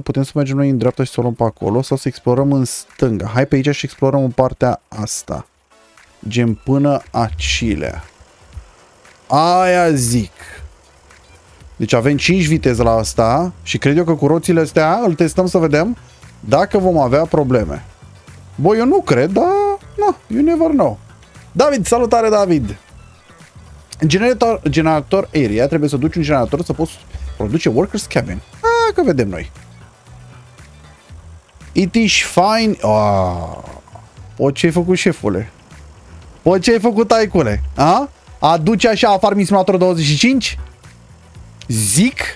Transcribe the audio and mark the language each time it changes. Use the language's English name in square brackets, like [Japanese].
[Romanian] Putem să mergem noi în dreapta și să o luăm pe acolo. Sau să explorăm în stânga. Hai pe aici și explorăm în partea asta. Gen până Acilea. Aia zic. Deci avem 5 viteze la asta. Și cred eu că cu roțile astea îl testăm să vedem dacă vom avea probleme. Bă, eu nu cred, dar no, [English] you never know. [Romanian] David, salutare David. Generator area, trebuie să duci un generator să poți produce workers cabin. A, că vedem noi. [English] It is fine. [Romanian] O, ce ai făcut, șefule? O, ce ai făcut, taicule? A? Aduce așa Farming Simulator 25? Zic.